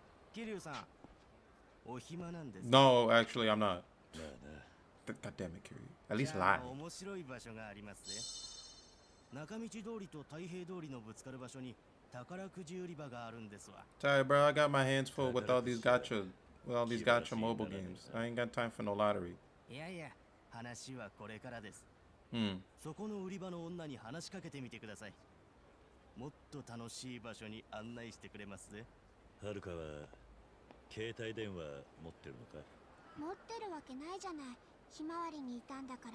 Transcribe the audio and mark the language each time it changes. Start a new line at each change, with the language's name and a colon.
Japanese: キリュウさん、お暇なんです
English: か？No, actually, I'm not.
Japanese: まあな。
English: God damn it, キリュウ。At least lie.
Japanese: 面白い場所がありますぜ。中道通りと太平通りのぶつかる場所に宝くじ売り場があるんですわ。
English: Sorry, bro, I got my hands full with all these gacha, with all these gacha mobile games. I ain't got time for no lottery.
Japanese: いやいや、話はこれからです。うん。そこの売り場の女に話しかけてみてください。もっと楽しい場所に案内してくれますぜ。はるかは携帯電話持ってるのか？持ってるわけないじゃない。ひまわりにいたんだから。